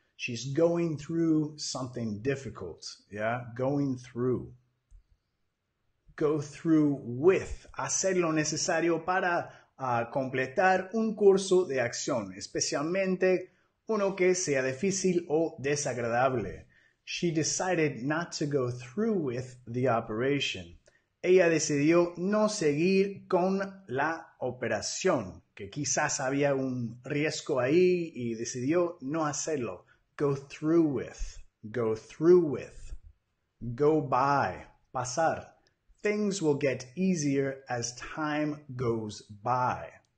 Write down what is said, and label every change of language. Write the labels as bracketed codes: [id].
[en] She's going through something difficult. Yeah, going through. Go through with. [es] Hacer lo necesario para completar un curso de acción, especialmente uno que sea difícil o desagradable. [en] She decided not to go through with the operation. [es] Ella decidió no seguir con la operación, que quizás había un riesgo ahí y decidió no hacerlo. [en] Go through with. Go through with. Go by. Pasar. Things will get easier as time goes by.